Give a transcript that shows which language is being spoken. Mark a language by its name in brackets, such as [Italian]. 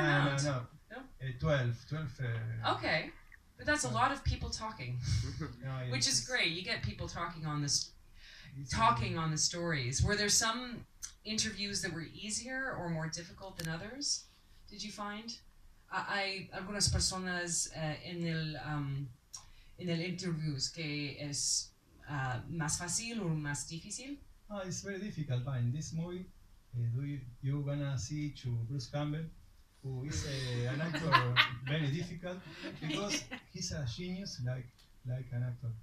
[English] amount. No. 12. Okay, but that's a lot of people talking, which is great. You get people talking on this. Talking on the stories. Were there some interviews that were easier or more difficult than others? Did you find? [Spanish] Hay algunas personas en el interviews que es más fácil o más difícil. [English] Oh, it's very difficult, but in this movie, you're gonna see to Bruce Campbell, who is an actor very difficult because he's a genius like an actor.